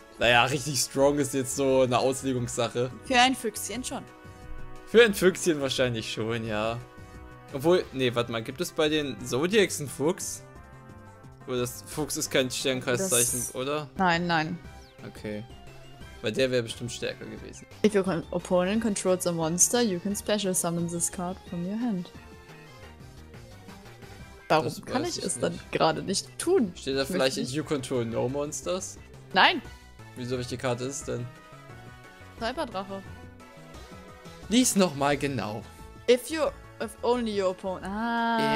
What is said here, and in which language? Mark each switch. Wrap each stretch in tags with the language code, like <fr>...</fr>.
<de>Naja, richtig strong ist jetzt so eine Auslegungssache. Für ein Füchschen schon. Für ein Füchschen wahrscheinlich schon, ja. Obwohl, nee, warte mal, gibt es bei den Zodiacs einen Fuchs? Oder das Fuchs ist kein Sternkreiszeichen, das... oder? Nein, nein. Okay. Weil der wäre bestimmt stärker gewesen.</de> <en>If your opponent controls a monster, you can special summon this card from your hand.</en> <de>Warum kann ich es dann gerade nicht tun? Steht da vielleicht in</de> <en>You Control No Monsters?</en> <de>Nein! Wieso welche Karte ist denn? Cyberdrache. Lies nochmal genau.</de> <en>If only your opponent. Ah.</en>